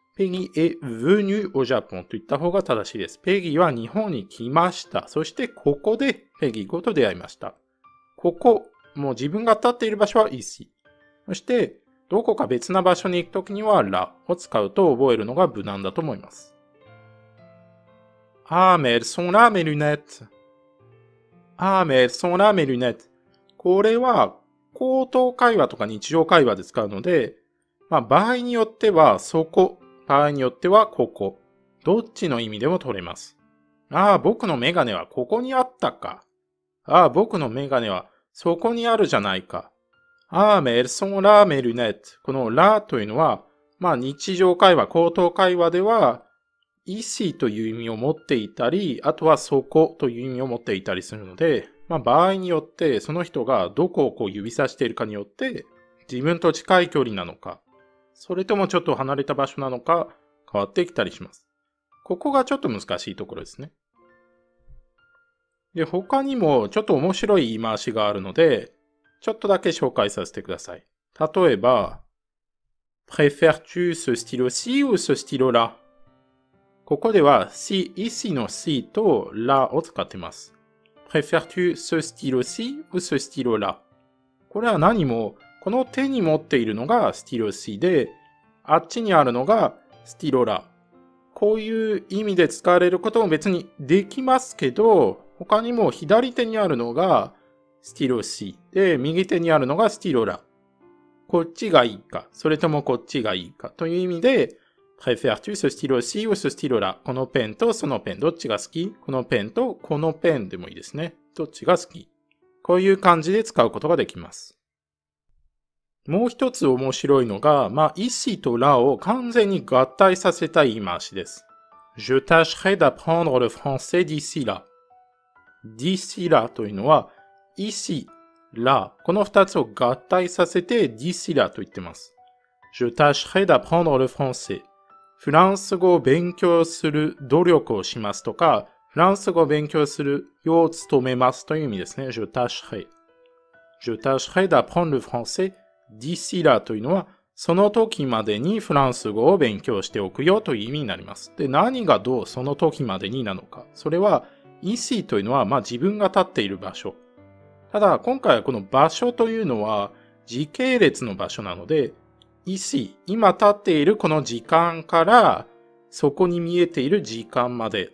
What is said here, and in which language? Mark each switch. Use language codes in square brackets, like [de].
[ja] ペギー [fr] est venu au Japon [ja] と言った方が正しいです。ペギーは日本に来ました。そしてここでペギー語と出会いました。ここ、もう自分が立っている場所は ici。そして、どこか別な場所に行くときには là を使うと覚えるのが無難だと思います。 [fr] Ah, mais elles sont là, mes lunettes. Ah, mais elles sont là, mes lunettes. [ja] これは、口頭会話とか日常会話で使うので、まあ、場合によっては、そこ。場合によってはここ。どっちの意味でも取れます。ああ、僕のメガネはここにあったか。ああ、僕のメガネはそこにあるじゃないか。ああ、メルソンラーメルネット。このラーというのは、まあ日常会話、口頭会話では、意思という意味を持っていたり、あとはそこという意味を持っていたりするので、まあ場合によって、その人がどこをこう指さしているかによって、自分と近い距離なのか。それともちょっと離れた場所なのか変わってきたりします。ここがちょっと難しいところですね。で、他にもちょっと面白い言い回しがあるので、ちょっとだけ紹介させてください。例えば、 [fr] préfères-tu ce stylo-ci ou ce stylo-là? [ja] ここでは、si、ici の si と là を使っています。 [fr] préfères-tu ce stylo-ci ou ce stylo-là? [ja] これは何も、この手に持っているのがスティロシーで、あっちにあるのがスティロラ。こういう意味で使われることも別にできますけど、他にも左手にあるのがスティロシーで、右手にあるのがスティロラ。こっちがいいか、それともこっちがいいかという意味で、 [fr] préfères-tu ce stylo ci ou ce stylo là? [ja] このペンとそのペン、どっちが好き?このペンとこのペンでもいいですね。どっちが好き? こういう感じで使うことができます。もう一つ面白いのが、まあ、意思とラを完全に合体させた言い回しです。 [fr] Je tâcherai d'apprendre le français d'ici là。 [ja] d'ici là というのは、意思、ラ、この二つを合体させて、d'ici là と言ってます。 [fr] Je tâcherai d'apprendre le français。 [ja] フランス語を勉強する努力をしますとか、フランス語を勉強するよう努めますという意味ですね。 [fr] Je tâcherai。 Je tâcherai d'apprendre le français。 [ja] d'ici là というのは、その時までにフランス語を勉強しておくよという意味になります。で、何がどうその時までになのか。それは、ici というのは、まあ自分が立っている場所。ただ、今回はこの場所というのは、時系列の場所なので、ici、今立っているこの時間から、そこに見えている時間まで。